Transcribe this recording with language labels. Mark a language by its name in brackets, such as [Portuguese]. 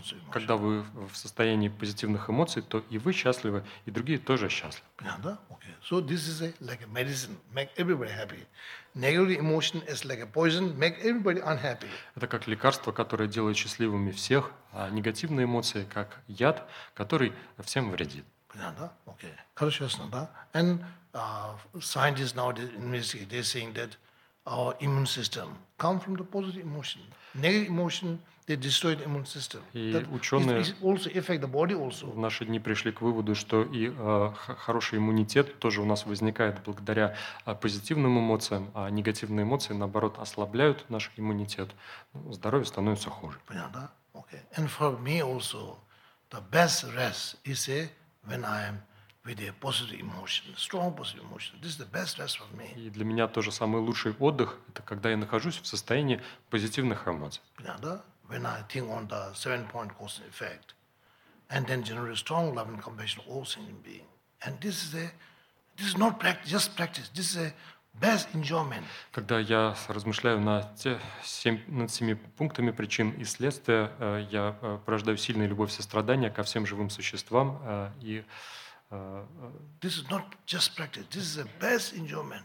[Russian] Когда вы в состоянии позитивных эмоций, то и вы счастливы, и другие тоже счастливы. Понятно, да? [English] Okay. So this is a, like a medicine, make everybody happy. Negative emotion is like a poison, make everybody unhappy. [Russian] Это как лекарство, которое делает счастливыми всех, а негативные эмоции как яд, который всем вредит. Понятно, да? Окей. Хорошо, ясно, да? [English] And scientists now investigate. They're saying that our immune system comes from the positive emotion. Negative emotion they destroy the immune system. [Russian] И ученые [English] also affect the body also. [Russian] В наши дни пришли к выводу, что и хороший иммунитет тоже у нас возникает благодаря позитивным эмоциям, а негативные эмоции, наоборот, ослабляют наш иммунитет. Здоровье становится хуже. Понятно, да? Окей. [English] Okay. And for me also, the best rest is a when I am with a positive emotion, strong positive emotion. This is the best rest for me. [Russian] И для меня тоже самый лучший отдых – это когда я нахожусь в состоянии позитивных эмоций. Понятно, да? [English] When I think on the seven-point cause and effect, and then generate strong love and compassion all sentient beings. And this is a This is not practice, just practice. This is a best enjoyment. [Russian] Когда я размышляю над семи пунктами причин и следствия, я порождаю сильную любовь сострадания ко всем живым существам и [English] This is not just practice. This is the best enjoyment.